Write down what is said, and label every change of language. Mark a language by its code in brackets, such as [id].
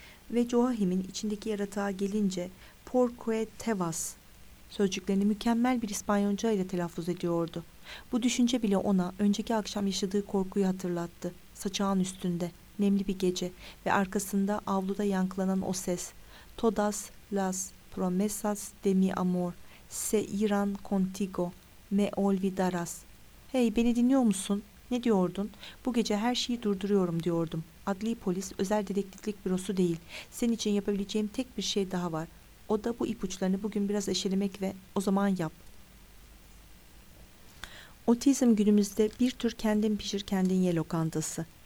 [tr] Ve Joachim'in içindeki yaratığa gelince Porquetevas sözcüklerini mükemmel bir İspanyolca ile telaffuz ediyordu. Bu düşünce bile ona önceki akşam yaşadığı korkuyu hatırlattı. Saçağın üstünde, nemli bir gece ve arkasında avluda yankılanan o ses. [es] Todas las promesas de mi amor se iran contigo me olvidarás. [tr] Hey, beni dinliyor musun? Ne diyordun? Bu gece her şeyi durduruyorum diyordum. Adli polis özel dedektiflik bürosu değil. Senin için yapabileceğim tek bir şey daha var. O da bu ipuçlarını bugün biraz eşelemek ve o zaman yap. Otizm günümüzde bir tür kendin pişir kendin ye lokantası.